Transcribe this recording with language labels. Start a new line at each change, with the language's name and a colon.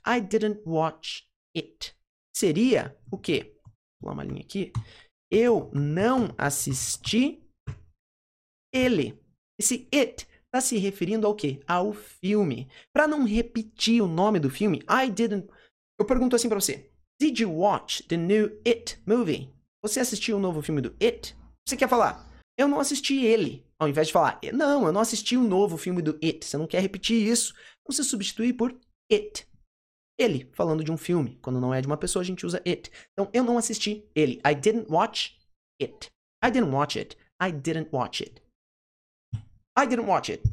English: I didn't watch it.
Portuguese: Seria o quê? Vou pular uma linha aqui. Eu não assisti ele. Esse it está se referindo ao quê? Ao filme. Para não repetir o nome do filme,
English: I didn't...
Portuguese: Eu pergunto assim para você.
English: Did you watch the new It movie?
Portuguese: Você assistiu o novo filme do It? Você quer falar, eu não assisti ele. Ao invés de falar, não, eu não assisti o novo filme do It. Você não quer repetir isso. Então você substitui por it. Ele, falando de um filme. Quando não é de uma pessoa, a gente usa it. Então, eu não assisti ele.
English: I didn't watch it. I didn't watch it. I didn't watch it. I didn't watch it.